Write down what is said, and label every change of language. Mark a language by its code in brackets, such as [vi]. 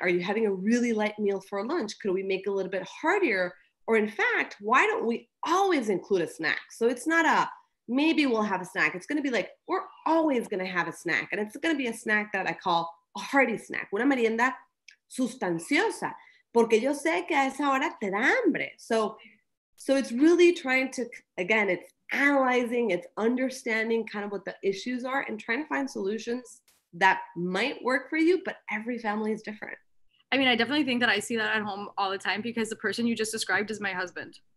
[en] Are you having a really light meal for lunch? Could we make a little bit heartier? Or in fact, why don't we always include a snack? So it's not a, maybe we'll have a snack. It's going to be like, we're always going to have a snack. And it's going to be a snack that I call a hearty snack. [es] Una merienda sustanciosa. Porque yo sé que a esa hora te da hambre. [en] So it's really trying to, again, it's analyzing, it's understanding kind of what the issues are and trying to find solutions that might work for you, but every family is different. I mean, I definitely think that I see that at home all the time because the person you just described is my husband.